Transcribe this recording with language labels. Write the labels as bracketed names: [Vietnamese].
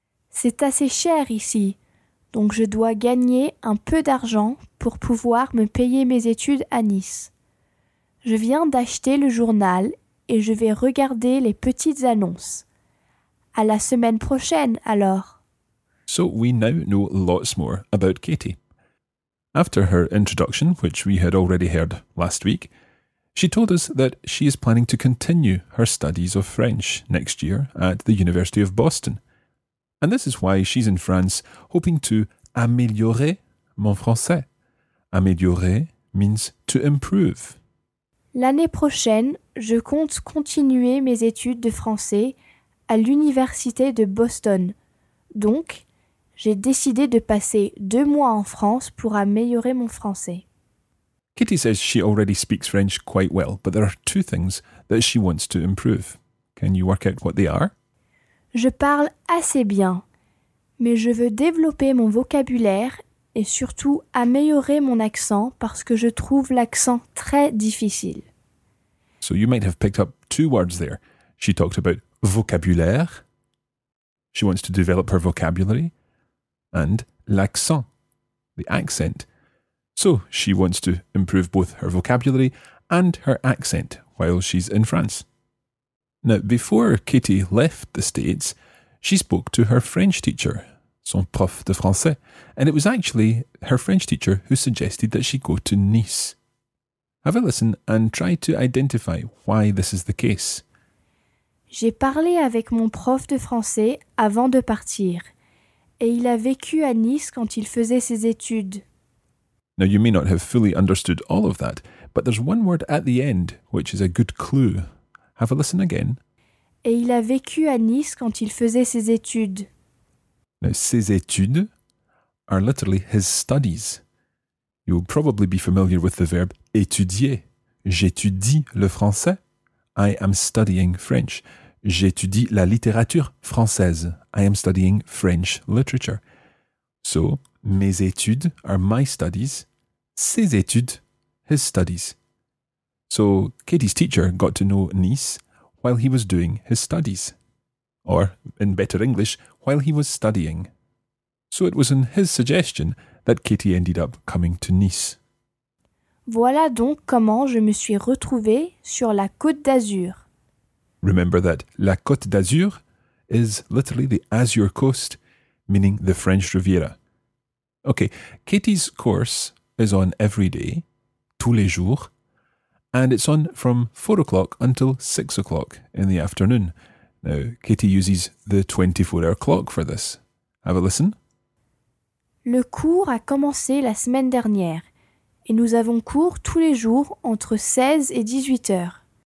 [French] C'est assez cher ici, donc je dois gagner un peu d'argent pour pouvoir me payer mes études à Nice. Je viens d'acheter le journal et je vais regarder les petites annonces. À la semaine prochaine, alors. [English] So we now know lots more about Katie. After her introduction, which we had already heard last week, she told us that she is planning to continue her studies of French next year at the University of Boston. And this is why she's in France, hoping to [French] améliorer mon français. [English] Améliorer means to improve. [French] L'année prochaine, je compte continuer mes études de français à l'Université de Boston. Donc, j'ai décidé de passer 2 mois en France pour améliorer mon français. [English] Kitty says she already speaks French quite well, but there are 2 things that she wants to improve. Can you work out what they are? [French] Je parle assez bien, mais je veux développer mon vocabulaire et surtout améliorer mon accent parce que je trouve l'accent très difficile. [English] So you might have picked up 2 words there. She talked about vocabulaire. She wants to develop her vocabulary. And l'accent, the accent. So she wants to improve both her vocabulary and her accent while she's in France. Now, before Katie left the States, she spoke to her French teacher, [French] son prof de français, [English] and it was actually her French teacher who suggested that she go to Nice. Have a listen and try to identify why this is the case. [French] J'ai parlé avec mon prof de français avant de partir, et il a vécu à Nice quand il faisait ses études. [English] Now, you may not have fully understood all of that, but there's one word at the end which is a good clue. Have a listen again. [French] Et il a vécu à Nice quand il faisait ses études. [English] Now, ses études are literally his studies. You will probably be familiar with the verb étudier. [French] J'étudie le français. [English] I am studying French. [French] J'étudie la littérature française. [English] I am studying French literature. So, mes études are my studies. Ses études, his studies. So, Katie's teacher got to know Nice while he was doing his studies. Or, in better English, while he was studying. So it was on his suggestion that Katie ended up coming to Nice. [French] Voilà donc comment je me suis retrouvée sur la Côte d'Azur. [English] Remember that la Côte d'Azur is literally the Azure Coast, meaning the French Riviera. Okay, Katie's course is on every day, tous les jours, and it's on from 4 o'clock until 6 o'clock in the afternoon. Now, Katie uses the 24-hour clock for this. Have a listen. [French] Le cours a commencé la semaine dernière et nous avons cours tous les jours entre 16 et 18 heures.